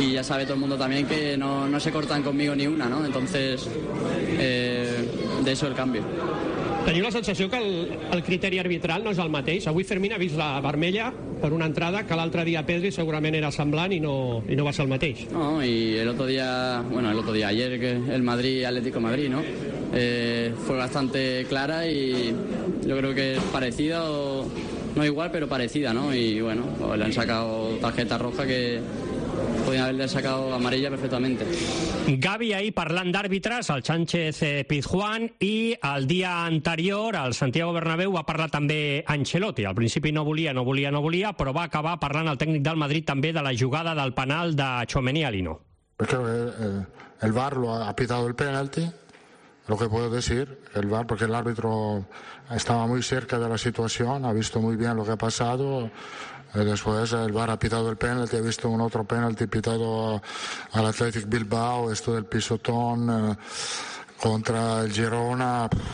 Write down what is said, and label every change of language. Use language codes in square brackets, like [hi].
[es] Y ya sabe todo el mundo también que no se cortan conmigo ni una, ¿no? Entonces, de eso el cambio. [ca] Teniu la sensació que el criteri arbitral no és el mateix? Avui Fermín ha vist la vermella per una entrada, que l'altre dia Pedri segurament era semblant i no va ser el mateix. [es] No, y el otro día, bueno, el otro día, ayer, que el Madrid, Atlético Madrid, ¿no? Fue bastante clara y yo creo que es parecida o... No igual, pero parecida, ¿no? Y bueno, pues le han sacado tarjeta roja que podían haberle sacado amarilla perfectamente. [ca] Gavi ahí parlant d'àrbitres, el Sánchez Pizjuán, i el dia anterior al Santiago Bernabéu va parlar també Ancelotti. Al principi no volia, però va acabar parlant el tècnic del Madrid també de la jugada del penal de Tchouaméni a Lino. [es] Creo que el VAR lo ha pitado el penalti. Lo que puedo decir, el VAR, porque el árbitro estaba muy cerca de la situación, ha visto muy bien lo que ha pasado. Después el VAR ha pitado el penalti, ha visto un otro penalti pitado al Athletic Bilbao, esto del pisotón contra el Girona.